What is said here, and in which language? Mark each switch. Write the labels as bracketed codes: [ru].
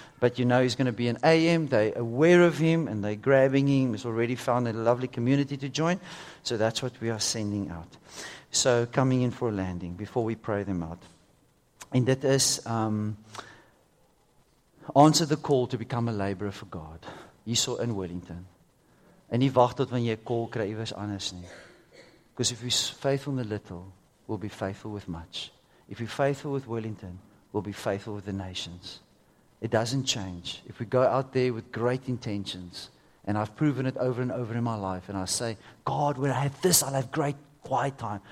[en] But you know he's going to be in AM. They're aware of him and they're grabbing him. He's already found a lovely community to join. So that's what we are sending out. So coming in for a landing before we pray them out. And that is answer the call to become a laborer for God. [af] Hierso in Wellington. En nie wacht tot wanneer jy call kry iewers anders nie. [en] Because if you're faithful in the little, we'll be faithful with much. If we're faithful with Wellington, we'll be faithful with the nations. It doesn't change. If we go out there with great intentions, and I've proven it over and over in my life, and I say, God, when I have this, I'll have great quiet time.